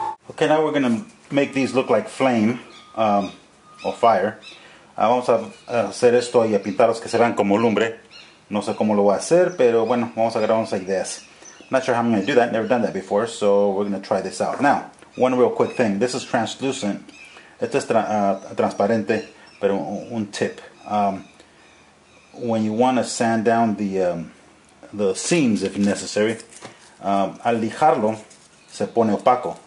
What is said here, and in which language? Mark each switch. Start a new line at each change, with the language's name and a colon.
English: Okay, now we're gonna make these look like flame, or fire.
Spanish: Vamos a hacer esto y a pintarlos que se vean como lumbre. No sé cómo lo voy a hacer, pero bueno, vamos a grabar unas ideas.
English: Not sure how I'm going to do that. Never done that before, so we're going to try this out. Now, one real quick thing. This is translucent.
Spanish: Esto es transparente, pero un tip.
English: When you want to sand down the seams, if necessary,
Spanish: al lijarlo, se pone opaco.